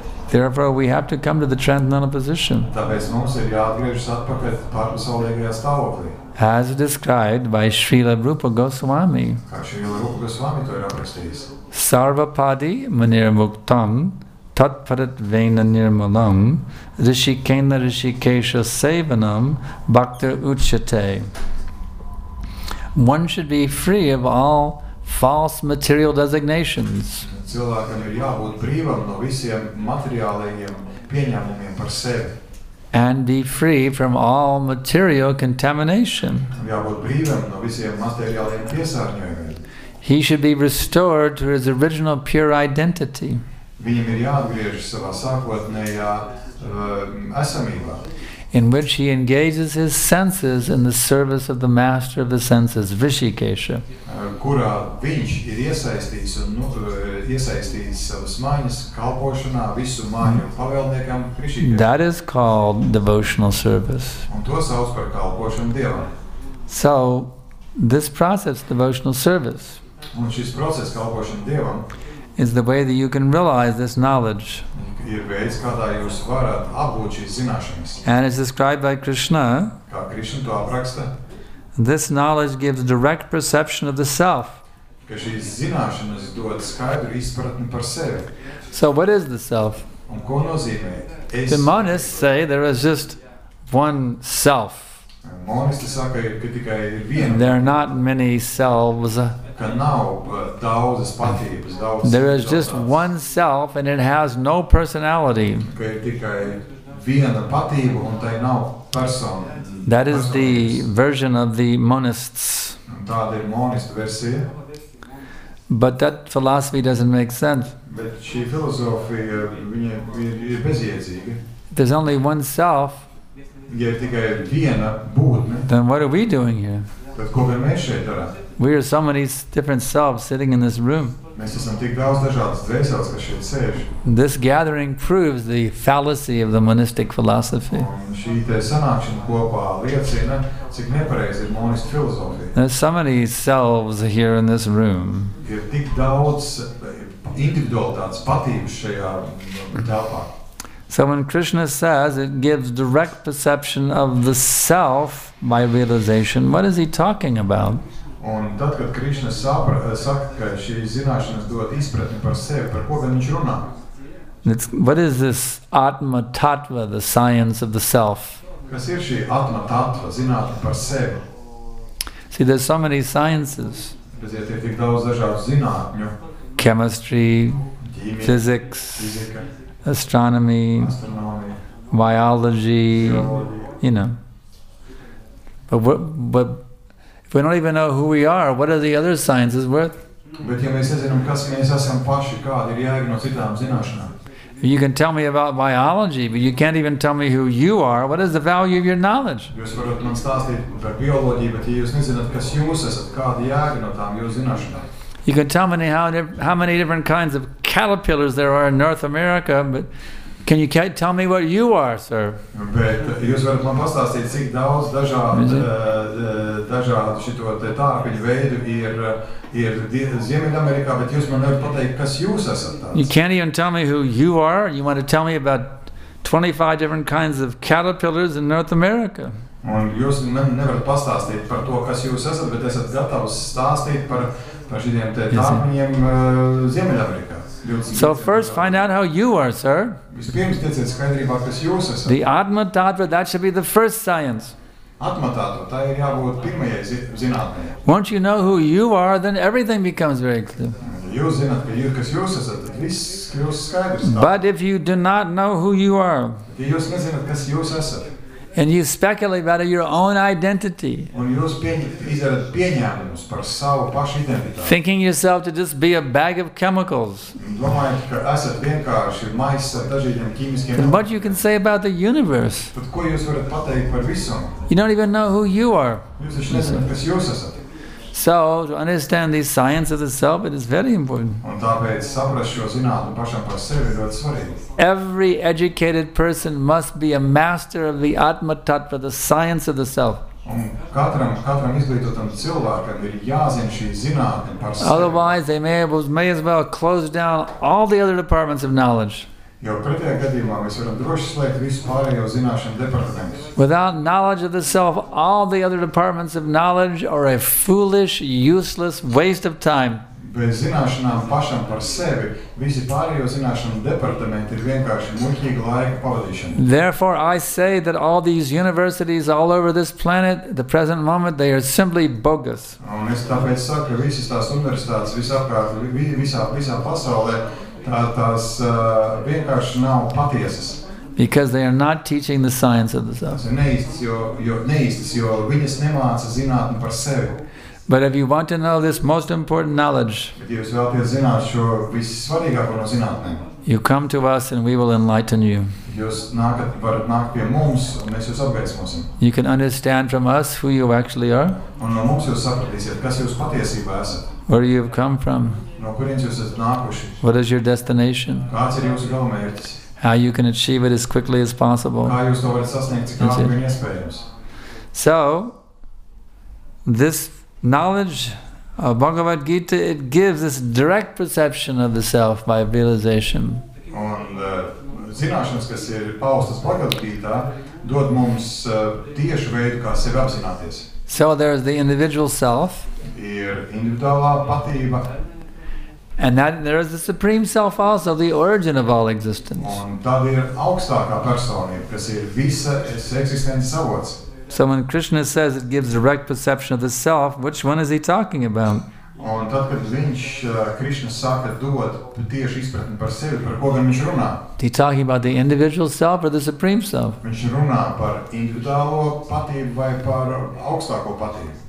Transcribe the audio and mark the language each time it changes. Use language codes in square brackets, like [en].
[en] Therefore, we have to come to the transcendental position. [lv] Tāpēc mums ir jāatgriežas atpakaļ pārpasaulīgajā stāvoklī. [en] As described by Srila Rupa Goswami. [lv] Kā Srila Rupa Goswami to ir aprakstījis. [sa] Sarvapadi manirmuktam tatparat vena nirmalam rishikena rishikesha sevanam bhakta uchate. [en] One should be free of all false material designations. [lv] Cilvēkam ir jābūt brīvam no visiem materiālajiem pieņēmumiem par sevi. [en] And be free from all material contamination. [lv] Jābūt brīvam no visiem materiālajiem piesārņojumiem. [en] He should be restored to his original pure identity. [lv] Viņam ir jāatgriežas savā sākotnējā esamībā. [en] In which he engages his senses in the service of the master of the senses, Rishikesha. [lv] Kurā viņš ir iesaistīts un iesaistīts savas maiņas kalpošanā visu maiņu pavēlniekam Rishikesha. [en] That is called devotional service. [lv] Un to sauc par kalpošanu Dievam. [en] So, this process, devotional service, [lv] un šis process kalpošanu Dievam, [en] is the way that you can realize this knowledge. [lv] Ir veids, kādā jūs varat apgūt šīs zināšanas. [en] And it's described by Krishna. [lv] Kā Krishna to apraksta. [en] This knowledge gives direct perception of the self. [lv] Ka šīs zināšanas dod skaidru izpratni par sevi. [en] So what is the self? [lv] Un ko nozīmē? [en] The monists say there is just one self. [lv] Monisti saka, ka tikai ir viena. [en] There are not many selves. [lv] Ka nav daudzas patības, daudzas. [en] There is just one self and it has no personality. [lv] Ka ir tikai viena patība un tai nav persona. [en] That is the version of the monists. [lv] Tāda ir monistu versija. [en] But that philosophy doesn't make sense. [lv] Bet šī filozofija, viņa ir bezjēdzīga. [en] There's only one self. [lv] Ja ir tikai viena būtne. [en] Then what are we doing here? [lv] Tad ko vien mēs šeit darām? [en] We are so many different selves sitting in this room. [lv] Mēs esam tik daudz dažādas dvēseles, kas šeit sēž. [en] This gathering proves the fallacy of the monistic philosophy. [lv] Un šī te sanākšana kopā liecina, cik nepareizi ir monistu filozofija. [en] There's so many selves here in this room. [lv] Ir tik daudz individualitātes patības šajā telpā. [en] So when Krishna says it gives direct perception of the self by realization, what is he talking about? [lv] Un tad, kad Krishna saka, ka šī zināšanas dod izpratni par sevi, par ko gan viņš runā? [en] What is this Atma Tattva, the science of the self? [lv] Kas ir šī atma tattva, zinātne par sevi? [en] See, there's so many sciences. [lv] Redziet, ir tik daudz dažādu zinātņu. [en] Chemistry, physics, astronomy, biology, you know. But if we don't even know who we are, what are the other sciences worth? [lv] Bet ja mēs nezinām, kas mēs esam paši, kādi ir jēga no citām zināšanām. [en] You can tell me about biology, but you can't even tell me who you are. What is the value of your knowledge? [lv] Jūs varat man stāstīt par bioloģiju, bet ja jūs nezināt, kas jūs esat, kāda jēga no tām jūs zināšanām. [en] You can tell me how many different kinds of caterpillars there are in North America, but can you tell me what you are, sir? [lv] Bet jūs varat man pastāstīt, cik daudz dažādu šito tārpiņu veidu ir Ziemeļamerikā, bet jūs man nevarat pateikt, kas jūs esat tāds. [en] You can't even tell me who you are. You want to tell me about 25 different kinds of caterpillars in North America. [lv] Un jūs man nevarat pastāstīt par to, kas jūs esat, bet esat gatavs stāstīt par šitiem tārpiņiem Ziemeļamerikā. [en] So first find out how you are, sir. The Atma Tattva, that should be the first science. [lv] Atma Tattva, tā ir jābūt pirmajai zinātnei. [en] Once you know who you are, then everything becomes very clear. [lv] Jūs zināt, ka jūs, kas jūs esat, tad viss kļūs skaidrs. [en] But if you do not know who you are, [lv] ja jūs nezināt, kas jūs esat, [en] and you speculate about your own identity, [lv] un jūs izdarat pieņēmumus par savu pašu identitāti, [en] thinking yourself to just be a bag of chemicals, [lv] domājot, ka esat vienkārši maiss ar dažādiem ķīmiskiem elementiem, [en] what you can say about the universe, [lv] bet ko jūs varat pateikt par visumu, [en] you don't even know who you are, [lv] jūs taču nezināt, kas jūs esat. [en] So to understand the science of the self, it is very important. [lv] Un tāpēc saprast šo zinātni pašam par sevi ir ļoti svarīgi. [en] Every educated person must be a master of the Atma Tattva, the science of the self. [lv] Un katram izglītotam cilvēkam ir jāzina šī zinātne par sevi. [en] Otherwise, they may as well close down all the other departments of knowledge. [lv] Jo pretējā gadījumā mēs varam droši slēgt visu pārējo zināšanu departamentu. [en] Without knowledge of the self, all the other departments of knowledge are a foolish, useless waste of time. [lv] Bez zināšanām pašam par sevi, visi pārējo zināšanu departamenti ir vienkārši muļķīga laika pavadīšana. [en] Therefore, I say that all these universities all over this planet, the present moment, they are simply bogus. [lv] Un es tāpēc saku, ka visas tās universitātes visapkārt, visā pasaulē, tās vienkārši nav patiesas. [en] Because they are not teaching the science of the self. [lv] Jo viņas nemāca zinātni par sevi. [en] But if you want to know this most important knowledge, [lv] bet jūs vēlaties zināt šo vissvarīgāko no zinātnēm, [en] you come to us and we will enlighten you. [lv] Jūs varat nākt pie mums un mēs jūs apgaismosim. [en] You can understand from us who you actually are. [lv] Un no mums jūs sapratīsiet, kas jūs patiesībā esat. [en] Where you have come from. [lv] No kurienes jūs esat nākuši. [en] What is your destination? [lv] Kāds ir jūsu galvmērķis? [en] How you can achieve it as quickly as possible. [lv] Kā jūs to varat sasniegt, cik ātri vien iespējams. [en] So, this knowledge of Bhagavad Gita, it gives this direct perception of the self by realization. [lv] Un zināšanas, kas ir paustas Bhagavad Gita, dod mums tiešu veidu, kā sevi apzināties. [en] So there is the individual self. [lv] Ir individuālā patība. [en] And that there is the Supreme Self also, the origin of all existence. [lv] Un tad ir augstākā personība, kas ir visa eksistences avots. [en] So when Krishna says it gives direct perception of the self, which one is he talking about? [lv] Un tad, kad viņš, Krishna saka, dod tieši izpratni par sevi, par ko gan viņš runā? [en] He talking about the individual self or the Supreme Self? [lv] Viņš runā par individuālo patību vai par augstāko patību.